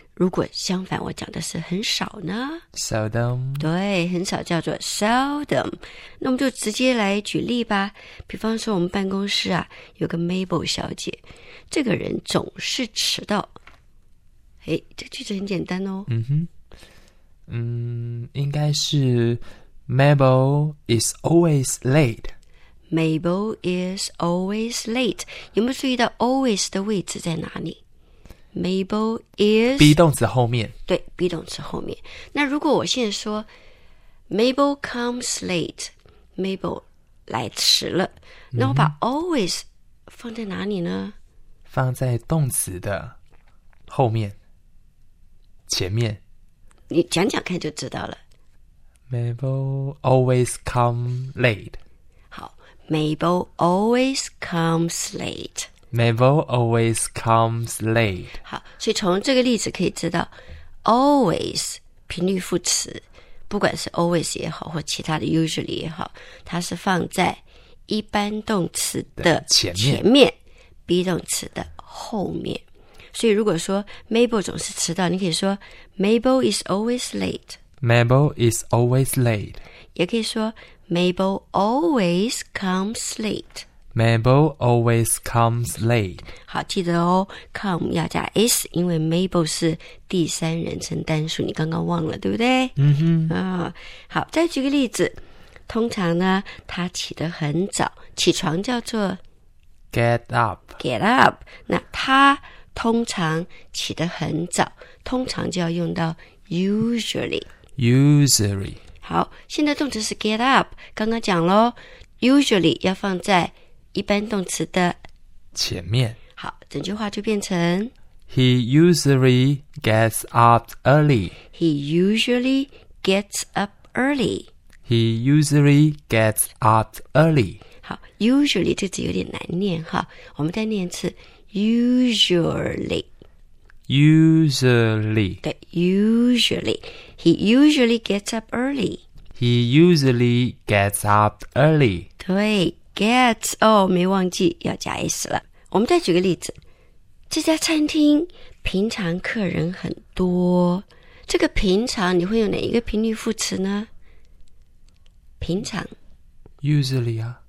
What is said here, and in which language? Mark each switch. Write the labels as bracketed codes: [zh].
[zh] 如果相反，我讲的是很少呢 [en] ？Seldom， [zh] 对，很少叫做 seldom。那我们就直接来举例吧。比方说，我们办公室啊有个 Mabel 小姐，这个人总是迟到。哎，这句子很简单哦。嗯哼。 [en] 应该是 Mabel is always late. Mabel is always late. [zh] 有没有注意到 always 的位置在哪里？ [en] Mabel is [zh] be 动词后面。对， be 动词后面。那如果我现在说 [en] Mabel comes late， [zh] Mabel 来迟了，那我把 always 放在哪里呢？放在动词的后面，前面。你讲讲看就知道了。 [en] Mabel always come late. 好， Mabel always comes late. Mabel always comes late. [zh] 好，所以从这个例子可以知道 always 频率副词，不管是 always 也好或其他的 usually 也好，它是放在一般动词的前面，前面 be 动词的后面。所以如果说 Mabel 总是迟到，你可以说 [en] Mabel is always late. Mabel is always late. [zh] 也可以说 [en] Mabel always comes late. Mabel always comes late. [zh] 好，记得哦， come 要加 s， 因为 Mabel 是第三人称单数，你刚刚忘了对不对？嗯哼。好，再举个例子，通常呢他起得很早，起床叫做 [en] get up. Get up. [zh] 那他通常起得很早，通常就要用到 usually。 [en] usually。 [zh] 好，现在动词是 get up， 刚刚讲了 ，usually 要放在一般动词的前面。好，整句话就变成 [en] He usually gets up early. He usually gets up early. He usually gets up early. 好 ，usually 这字有点难念哈，我们再念一次。 Usually. Usually. 对， usually. He usually gets up early. He usually gets up early. [zh] 对， gets, 哦，没忘记要加 s 了。我们再举个例子。这家餐厅平常客人很多。这个平常你会用哪一个频率副词呢？平常。 [en] Usually 啊。